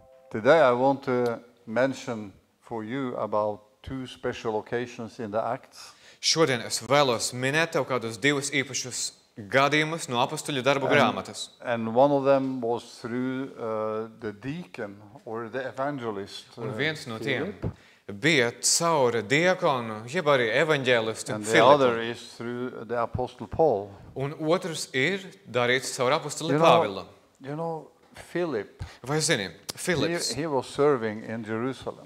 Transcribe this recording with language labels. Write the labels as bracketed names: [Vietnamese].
[English] Today I want to mention for you about two special occasions in the Acts. [Latvian] Šodien es vēlos minēt tev kādus divus īpašus gadījumus no apostuļu darbu grāmatas. [English] And one of them was through the deacon or the evangelist. [Latvian] Un viens no tiem bija caura diakonu, jeb arī evaņģēlistu [English] Filipu. And the other is through the apostle Paul. [Latvian] Un otrs ir darīts caur apostuli Pāvilu. [English] You know, Philip. [Latvian] Vai zini, Philip. [English] He was serving in Jerusalem.